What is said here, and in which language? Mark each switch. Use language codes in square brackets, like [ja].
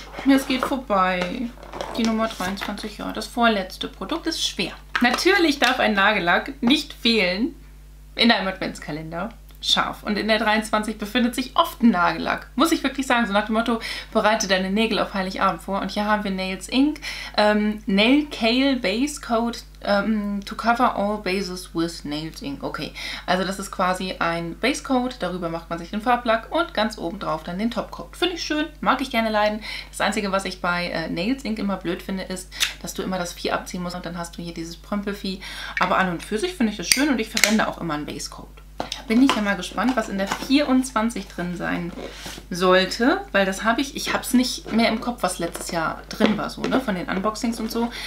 [de] Es geht vorbei. Die Nummer 23, ja, das vorletzte Produkt ist schwer. Natürlich darf ein Nagellack nicht fehlen in einem Adventskalender. Scharf. Und in der 23 befindet sich oft ein Nagellack. Muss ich wirklich sagen. So nach dem Motto, bereite deine Nägel auf Heiligabend vor. Und hier haben wir Nails Inc. [en] Nail Kale Base Coat to cover all bases with Nails Inc. [de] Okay, also das ist quasi ein Base Coat. Darüber macht man sich den Farblack und ganz oben drauf dann den Top Coat. Finde ich schön, mag ich gerne leiden. Das Einzige, was ich bei Nails Inc. immer blöd finde, ist, dass du immer das Vieh abziehen musst und dann hast du hier dieses Prümpelvieh. Aber an und für sich finde ich das schön und ich verwende auch immer einen Base Coat. Bin ich ja mal gespannt, was in der 24 drin sein sollte, weil das habe ich, hab's nicht mehr im Kopf, was letztes Jahr drin war, so, ne, von den Unboxings und so.